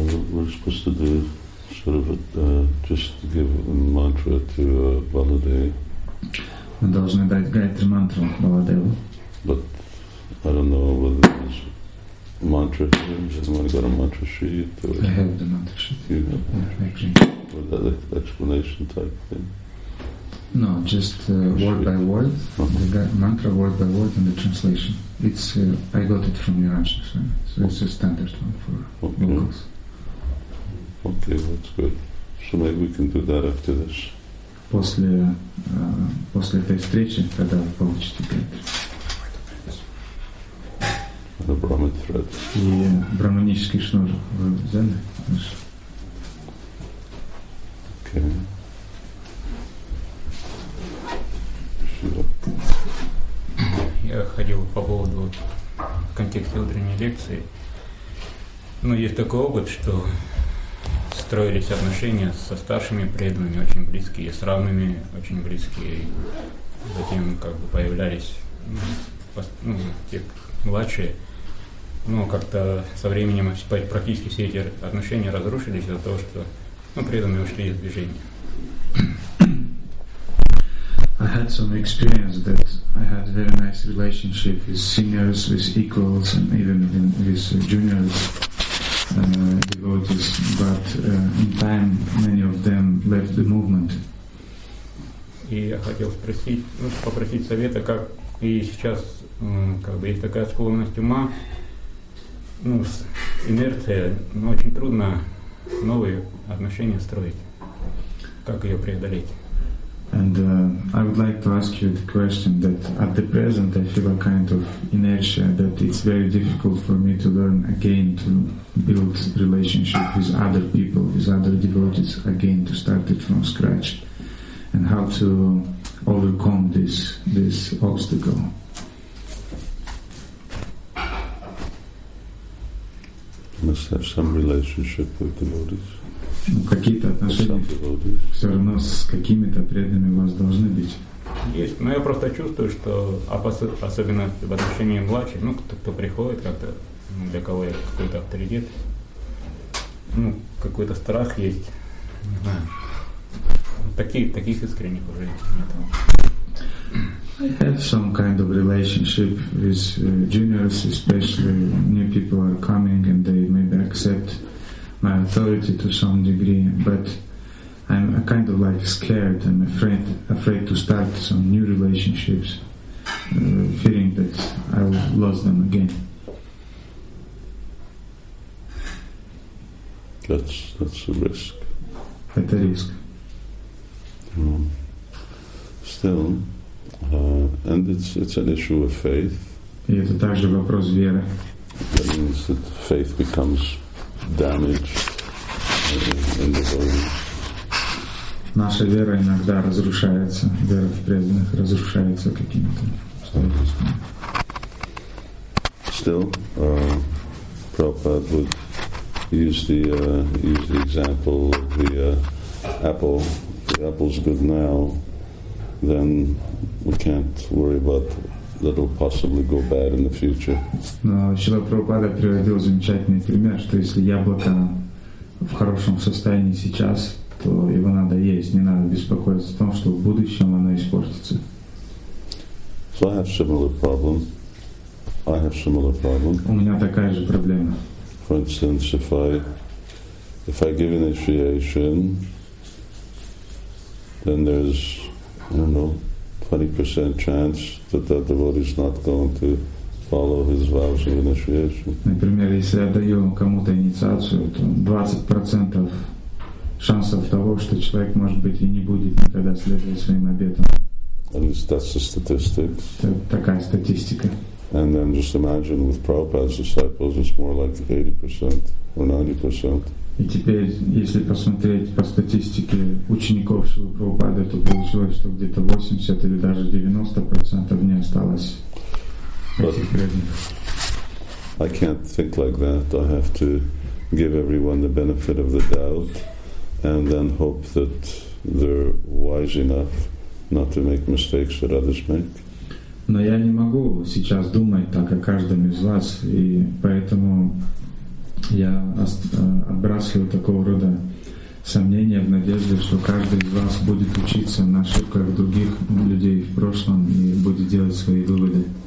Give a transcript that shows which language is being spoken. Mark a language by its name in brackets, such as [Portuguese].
[English] We're supposed to do sort of just give a mantra to Baladeva. [Russian] Мы должны дать гайтри мантру Баладеву. [English] But I don't know whether there's mantra here. Does anyone got a mantra sheet? I have the mantra sheet. You have the mantra sheet. Or that explanation type thing? No, just word by word. The mantra word by word and the translation. It's I got it from Niranjan Swami. So it's a standard one for locals. Okay, that's good. So maybe we can do that after this. [Russian] После этой встречи, когда вы получите гайтри. [English] The Brahmin thread. [Russian] И брахманический шнур вы взяли? [English] Okay. [Russian] Я ходил по поводу в контексте утренней лекции. Ну, есть такой опыт, что строились отношения со старшими преданными, очень близкие, с равными, очень близкие. И затем как бы появлялись те младшие. Но как-то со временем практически все эти отношения разрушились из-за того, что преданные ушли из движения. [English] I had some experience that I had a very nice relationship with seniors, with equals, and even with juniors, devotees. But in time, many of them left the movement. [Russian] И я хотел спросить, попросить совета, как и сейчас, как бы есть такая склонность ума, инерция, очень трудно новые отношения строить. Как ее преодолеть? [English] And I would like to ask you the question that at the present I feel a kind of inertia, that it's very difficult for me to learn again to build relationship with other people, with other devotees, again to start it from scratch, and how to overcome this obstacle. You must have some relationship with devotees. [Russian] Какие-то отношения все равно с какими-то преданными у вас должны быть. Есть, но я просто чувствую, что особенно в отношении младших, ну, кто приходит как-то, для кого я какой-то авторитет, ну, какой-то страх есть. Не знаю. Таких искренних уже нет. [English] I have some kind of relationship with juniors, especially new people are coming and they maybe accept my authority to some degree, but I'm kind of like scared. I'm afraid to start some new relationships, fearing that I will lose them again. That's a risk. At a risk. Still, and it's an issue of faith. [Russian] И это также вопрос веры. [English] That means that faith becomes damage in the body. [Russian] Наша вера иногда разрушается, вера в преданных разрушается какими-то обстоятельствами. [English] Still, Prabhupada would use the example of the apple. The apple's good now, then we can't worry about that will possibly go bad in the future. [Russian] Но Шрила Прабхупада приводил замечательный пример, что если яблоко в хорошем состоянии сейчас, то его надо есть, не надо беспокоиться о том, что в будущем оно испортится. [English] So I have similar problem. I have similar problem. [Russian] У меня такая же проблема. [English] For instance, if I give initiation, then there's, I don't know, 20% chance that devotee is not going to follow his vows of initiation. [Russian] Например, если я даю кому-то инициацию, то 20% шансов того, что человек может быть и не будет никогда следовать своим обетам. [English] At least that's the statistics. [Russian] Такая статистика. [English] And then just imagine with Prabhupada's disciples, it's more like 80% or 90%. [Russian] И теперь, если посмотреть по статистике учеников Шрилы Прабхупады, то получилось, что где-то 80 или даже 90% не осталось этих преданных. [English] I can't think like that. I have to give everyone the benefit of the doubt and then hope that they're wise enough not to make mistakes that others make. [Russian] Но я не могу сейчас думать так о каждом из вас, и поэтому я отбрасываю такого рода сомнения в надежде, что каждый из вас будет учиться на ошибках других людей в прошлом и будет делать свои выводы.